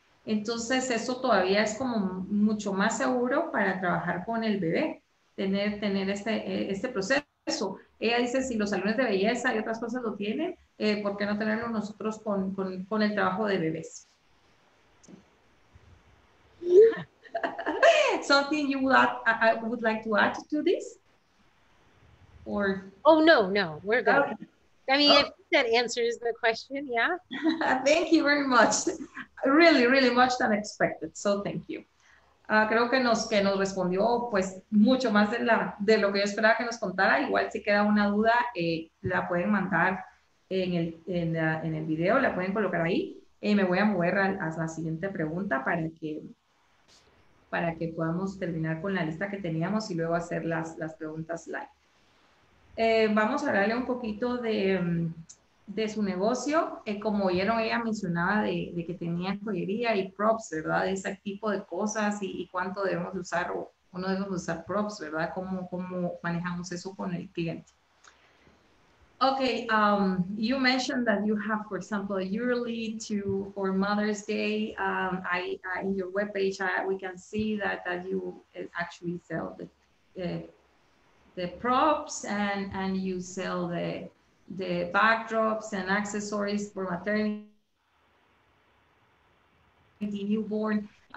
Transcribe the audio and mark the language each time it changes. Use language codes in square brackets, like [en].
[es] Entonces eso todavía es como mucho más seguro para trabajar con el bebé, tener este proceso. Ella dice, si los salones de belleza y otras cosas lo tienen, ¿por qué no tenerlo nosotros con el trabajo de bebés? [en] Something you would like to add to this? Or Oh, no, we're good. okay. I mean, I think that answers the question. Yeah. Thank you very much. Really, really much than expected. So thank you. [es] Creo que nos respondió pues mucho más de lo que yo esperaba que nos contara. Igual si queda una duda, la pueden mandar en el video, la pueden colocar ahí. Me voy a mover a la siguiente pregunta para que podamos terminar con la lista que teníamos y luego hacer las preguntas live. Vamos a hablarle un poquito de su negocio. Como vieron, ella mencionaba de que tenía joyería y props, ¿verdad? Ese tipo de cosas y cuánto debemos de usar o no debemos de usar props, ¿verdad? ¿Cómo manejamos eso con el cliente? [en] Okay, you mentioned that you have, for example, a yearly to for Mother's Day. In your webpage, we can see that you actually sell the props and you sell the backdrops and accessories for maternity newborn.